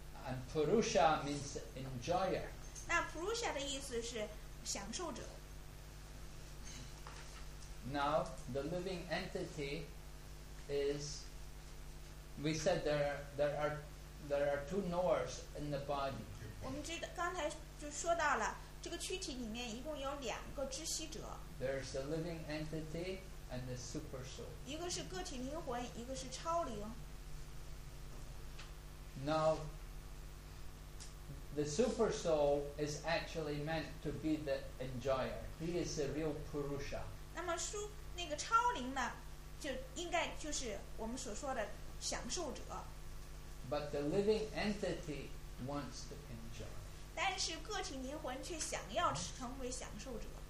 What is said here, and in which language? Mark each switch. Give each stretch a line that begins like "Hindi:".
English: And purusha means enjoyer.
Chinese: 那 purusha 的意思是享受者。
English: Now, the living entity is, we said there are two knowers in the body.
Chinese: 我们刚才就说到了，这个躯体里面一共有两个知悉者。
English: There's the living entity and the super soul.
Chinese: 一个是个体灵魂，一个是超灵。
English: Now, the super soul is actually meant to be the enjoyer. He is the real Purusha.
Chinese: 那么书那个超灵呢，就应该就是我们所说的享受者。
English: But the living entity wants to enjoy.
Chinese: 但是个体灵魂却想要成为享受者。